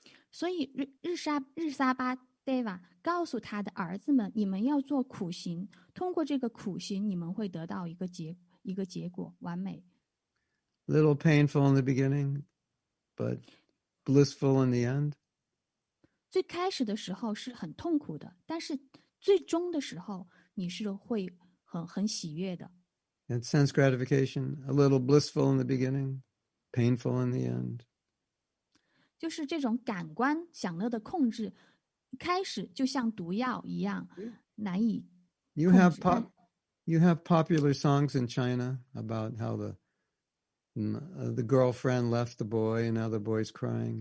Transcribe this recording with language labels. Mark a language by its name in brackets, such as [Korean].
[Chinese] So, Rishabhdeva 告诉他的儿子们，你们要做苦行，通过这个苦行，你们会得到一个结果，完美。 [English] Little painful in the beginning, but blissful in the end. [Chinese] 最开始的时候是很痛苦的，但是最终的时候你是会很喜悦的。 [English] And sense gratification, a little blissful in the beginning, painful in the end. [Chinese] 就是这种感官享乐的控制，开始就像毒药一样难以控制。 [English] You have popular songs in China about how the girlfriend left the boy and now the boy's crying.